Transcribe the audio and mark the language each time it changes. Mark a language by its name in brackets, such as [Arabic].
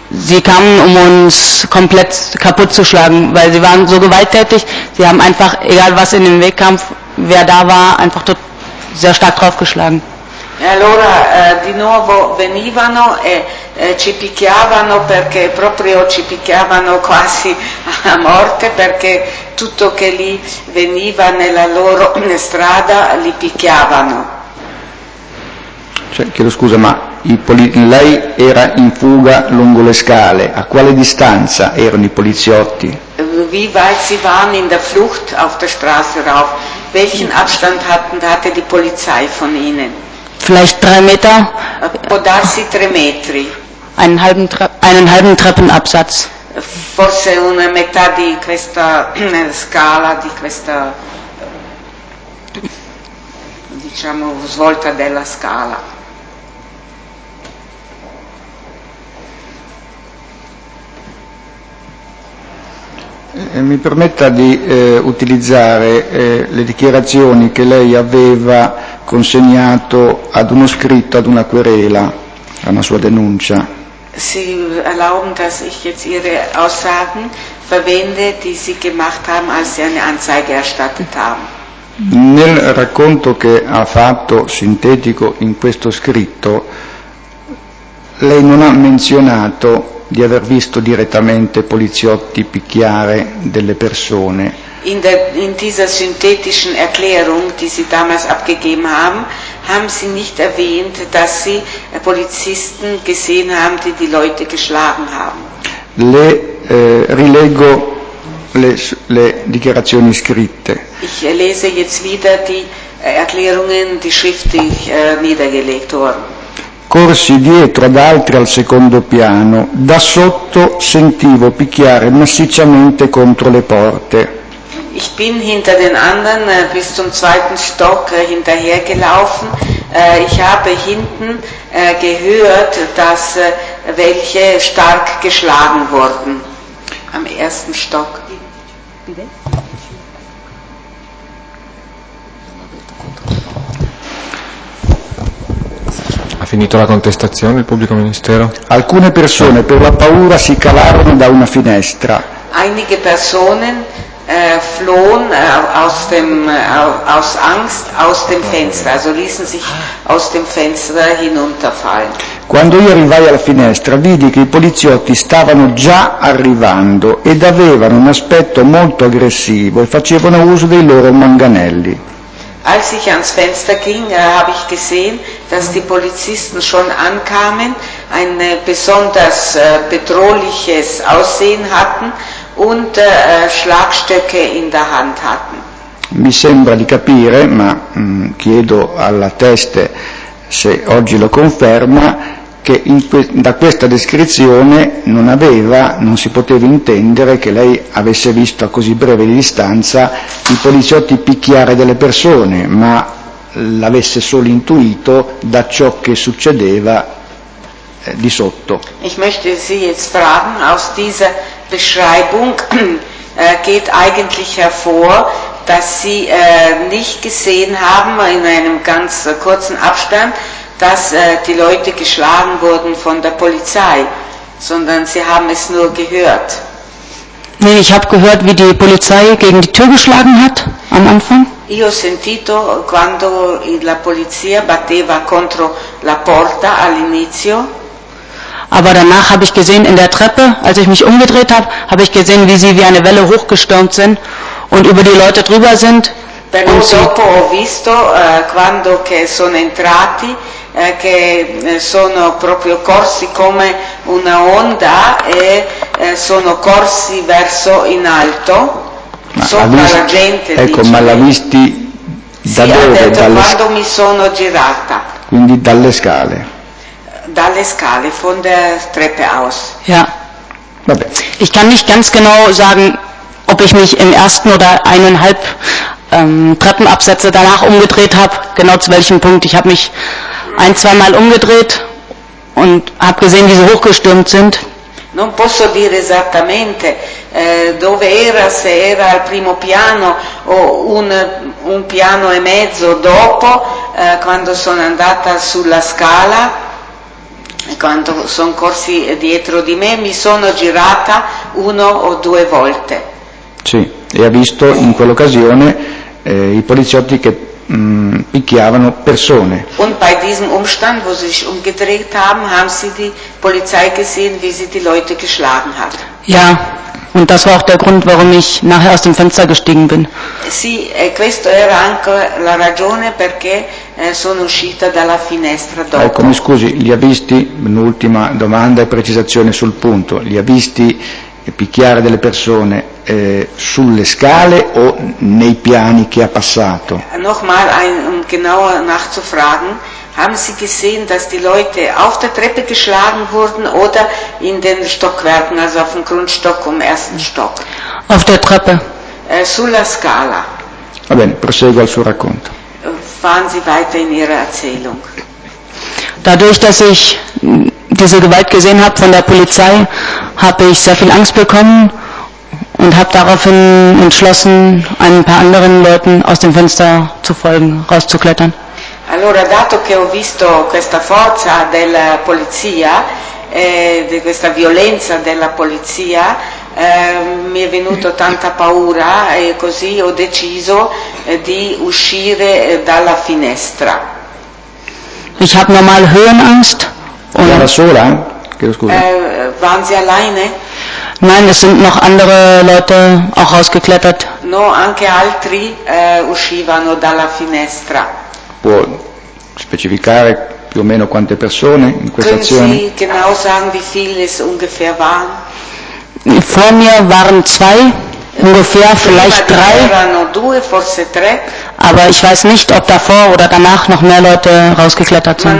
[German] Sie kamen, um uns komplett kaputt zu schlagen, weil sie waren so gewalttätig. Sie haben einfach, egal was in dem Wettkampf, wer da war, einfach dort sehr stark draufgeschlagen. [Italian] Allora, di nuovo venivano e ci picchiavano perché proprio ci picchiavano quasi a morte perché tutto che lì veniva nella loro strada li picchiavano. Cioè, chiedo scusa, ma lei era in fuga lungo le scale. A quale distanza erano i poliziotti? [German] Wie weit sie waren in der Flucht auf der Straße rauf? Welchen Abstand hatte die Polizei von ihnen? Vielleicht drei Meter. [Italian] Podarsi tre metri. [German] Einen halben Treppenabsatz. [Italian] Forse una metà di questa scala, di questa, diciamo, svolta della scala. Mi permetta di utilizzare le dichiarazioni che lei aveva consegnato ad uno scritto, ad una querela, a una sua denuncia. [German] Sie erlauben, dass ich jetzt Ihre Aussagen verwende, die Sie gemacht haben, als Sie eine Anzeige erstattet haben. [Italian] Nel racconto che ha fatto, sintetico, in questo scritto, lei non ha menzionato di aver visto direttamente poliziotti picchiare delle persone. [German] In dieser synthetischen Erklärung, die Sie damals abgegeben haben, haben Sie nicht erwähnt, dass Sie Polizisten gesehen haben, die die Leute geschlagen haben. [Italian] Rileggo le dichiarazioni scritte. [German] Ich lese jetzt wieder die Erklärungen, die schriftlich niedergelegt wurden. [Italian] Corsi dietro ad altri al secondo piano, da sotto sentivo picchiare massicciamente contro le porte. [German] Ich bin hinter den anderen bis zum zweiten Stock hinterhergelaufen. Ich habe hinten gehört, dass welche stark geschlagen wurden am ersten Stock. [Italian] Ha finito la contestazione il pubblico ministero? Alcune persone per la paura si cavarono da una finestra. [German] Einige Personen flohen aus Angst aus dem Fenster, also ließen sich aus dem Fenster hinunterfallen. [Italian] Quando io arrivai alla finestra, vidi che i poliziotti stavano già arrivando ed avevano un aspetto molto aggressivo e facevano uso dei loro manganelli. [German] Als ich ans Fenster ging, habe ich gesehen, dass die Polizisten schon ankamen, ein besonders bedrohliches Aussehen hatten und Schlagstöcke in der Hand hatten. [Italian] Mi sembra di capire, ma chiedo alla teste se oggi lo conferma, che da questa descrizione non si poteva intendere che lei avesse visto a così breve distanza i poliziotti picchiare delle persone, ma l'avesse solo intuito da ciò che succedeva di sotto. [German] Ich möchte Sie jetzt fragen, aus dieser Beschreibung geht eigentlich hervor, dass Sie nicht gesehen haben in einem ganz kurzen Abstand, dass die Leute geschlagen wurden von der Polizei, sondern sie haben es nur gehört. Nee, ich habe gehört, wie die Polizei gegen die Tür geschlagen hat am Anfang. [Italian] Io ho sentito quando la polizia batteva contro la porta all'inizio. [German] Aber danach habe ich gesehen in der Treppe, als ich mich umgedreht habe, habe ich gesehen, wie sie wie eine Welle hochgestürmt sind und über die Leute drüber sind. [Italian] Però dopo ho visto quando che sono entrati che sono proprio corsi come una onda e sono corsi verso in alto, ma sopra la gente. Ecco, dice, ma l'ha visti da sì, dove? Ha detto, quando mi sono girata. Quindi dalle scale. Dalle scale, [German] von der Treppe aus. Ja. [Italian] Vabbè. [German] Ich kann nicht ganz genau sagen, ob ich mich im ersten oder eineinhalb Treppenabsätze danach umgedreht habe, genau zu welchem Punkt. Ich habe mich ein, zweimal umgedreht und habe gesehen, wie sie hochgestürmt sind. [Italian] Non posso dire esattamente dove era, se era al primo piano o un piano e mezzo dopo, quando sono andata sulla scala. quando sono corsi dietro di me, mi sono girata uno o due volte. Sì, e ha visto in quell'occasione i poliziotti che picchiavano persone. [German] Und bei diesem Umstand, wo sie sich umgedreht haben, haben sie die Polizei gesehen, wie sie die Leute geschlagen hat. Ja, und das war auch der Grund, warum ich nachher aus dem Fenster gestiegen bin. [Italian] Sì, questo era anche la ragione perché sono uscita dalla finestra dopo. Ecco, mi scusi, li ha visti, un'ultima domanda e precisazione sul punto, li ha visti picchiare delle persone sulle scale o nei piani che ha passato? [German] Nochmal um genauer nachzufragen, haben Sie gesehen, dass die Leute auf der Treppe geschlagen wurden oder in den Stockwerken, also auf dem Grundstock und ersten Stock? Auf der Treppe. [Italian] Sulla scala. Va bene, prosegue al suo racconto. [German] Fahren Sie weiter in Ihrer Erzählung. Dadurch, dass ich diese Gewalt gesehen habe von der Polizei, habe ich sehr viel Angst bekommen und habe daraufhin entschlossen, ein paar anderen Leuten aus dem Fenster zu folgen, rauszuklettern. [Italian] Allora, dato che ho visto questa forza della polizia, di questa violenza della polizia, mi è venuto tanta paura e così ho deciso di uscire dalla finestra. [German] Ich habe normal Höhenangst. [Italian] Era sola? [German] Waren Sie alleine? Nein, es sind noch andere Leute auch rausgeklettert. [Italian] No, anche altri uscivano dalla finestra. Può specificare più o meno quante persone in questa [German] Können [Italian] azione? [German] Sie genau sagen, wie viele es ungefähr waren? Vor mir waren zwei, ungefähr, vielleicht drei, aber ich weiß nicht, ob davor oder danach noch mehr Leute rausgeklettert sind.